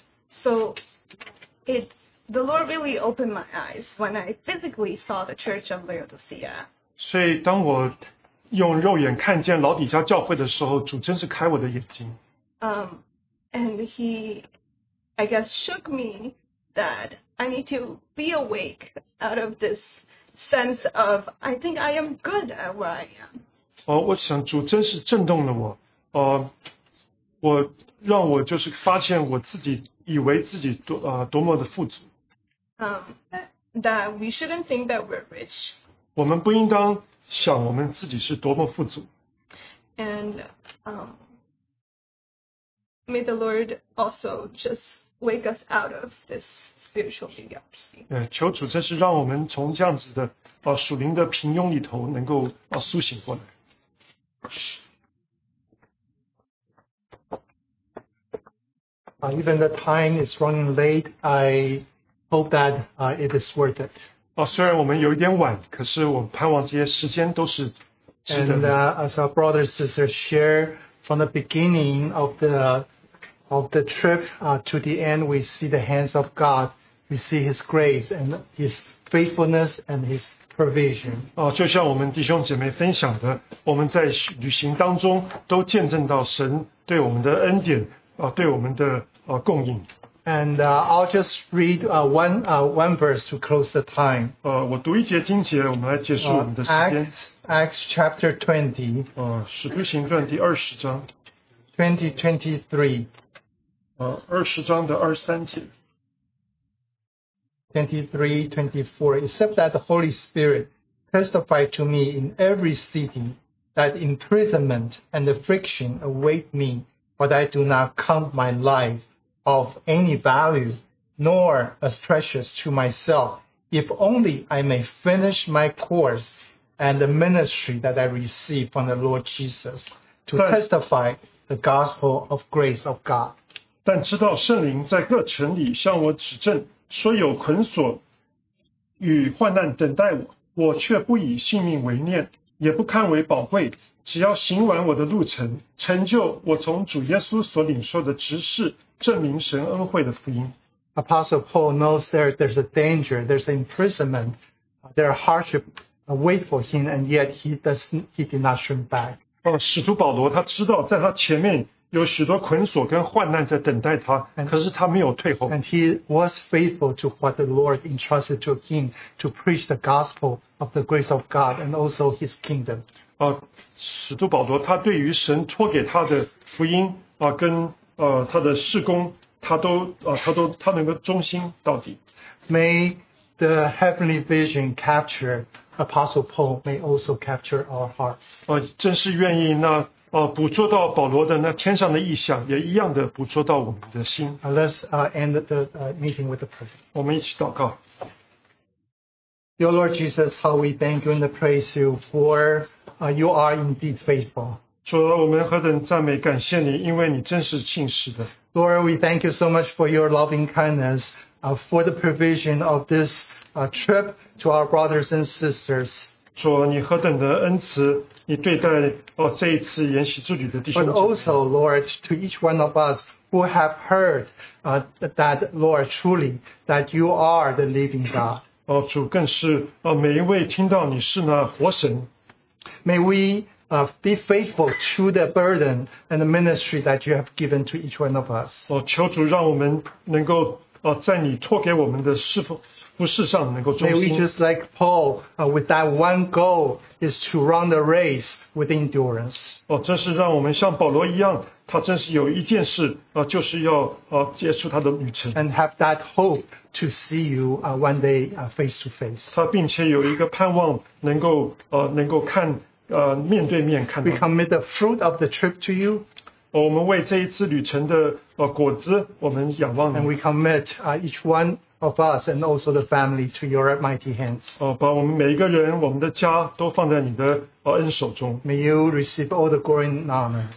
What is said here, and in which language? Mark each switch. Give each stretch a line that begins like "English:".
English: So, the Lord really opened my eyes when I physically saw the Church of Laodicea.
Chinese: 所以当我用肉眼看见老底家教会的时候，主真是开我的眼睛。
English: And he, I guess, shook me that I need to be awake out of this sense of I think I am good at where I am.
Chinese: 我想主真是震动了我，我让我就是发现我自己以为自己多么的富足。
English: That we shouldn't think that we're rich.
Chinese: 我们不应当想我们自己是多么富足。
English: And may the Lord also just wake us out of this spiritual mediocrity.
Chinese: 求主真是让我们从这样子的属灵的平庸里头能够苏醒过来。
English: Even the time is running late, I hope that it is worth it.
Chinese: 虽然我们有一点晚，可是我盼望这些时间都是值得的。
English: And as our brothers and sisters share from the beginning of the trip to the end, we see the hands of God. We see His grace and His faithfulness and His provision.
Chinese: 就像我们弟兄姐妹分享的，我们在旅行当中都见证到神对我们的恩典，对我们的供应。
English: And I'll just read one verse to close the time.
Chinese: 我读一节经节，我们来结束我们的时间。
English: Acts chapter 20.
Chinese: 使徒行传第二十章。
English: 20:23.
Chinese: 二十章的二十三节。
English: 23:24. Except that the Holy Spirit testified to me in every city that imprisonment and affliction await me, but I do not count my life of any value, nor as precious to myself, if only I may finish my course and the ministry that I receive from the Lord Jesus to testify the gospel of grace of God.
Chinese: 但知道圣灵在各城里向我指证，说有捆锁与患难等待我，我却不以性命为念，也不看为宝贵，只要行完我的路程，成就我从主耶稣所领受的职事，证明神恩惠的福音。
English: Apostle Paul knows there's a danger, there's an imprisonment, there are hardship wait for him, and yet he did not shrink back.
Chinese: 使徒保罗他知道在他前面有许多捆锁跟患难在等待他，可是他没有退后。
English: And he was faithful to what the Lord entrusted to him to preach the gospel of the grace of God and also His kingdom.
Chinese: 使徒保罗他对于神托给他的福音跟他的事工，他能够忠心到底。
English: May the heavenly vision capture Apostle Paul, may also capture our hearts.
Chinese: 真是愿意那。捕捉到保罗的那天上的异象，也一样的捕捉到我们的心。
English: Let's end the meeting with a prayer.
Chinese: 我们一起祷告。
English: Dear Lord Jesus, how we thank you and praise you for you are indeed faithful.
Chinese: 主，我们何等赞美感谢你，因为你真是信实的。
English: Lord, we thank you so much for your loving kindness, for the provision of this trip to our brothers and sisters.
Chinese: 主，你何等的恩慈。你对待这一次研习之旅的弟兄姐妹。
English: But also, Lord, to each one of us who have heard that, Lord, truly, that you are the living God.
Chinese: 主更是每一位听到你是那活神。
English: May we be faithful to the burden and the ministry that you have given to each one of us.
Chinese: 求主让我们能够在你托给我们的侍奉。
English: May we just like Paul, with that one goal is to run the race with endurance.
Chinese: 真是让我们像保罗一样，他真是有一件事，就是要结束他的旅程。
English: And have that hope to see you one day face to face.
Chinese: 他并且有一个盼望，能够看面对面看到。
English: We commit the fruit of the trip to you.
Chinese: 我们为这一次旅程的果子，我们仰望你。
English: And we commit each one. Of us and also the family to your mighty hands.
Chinese: 把我们每一个人，我们的家都放在你的恩手中。
English: May you receive all the glory and honor.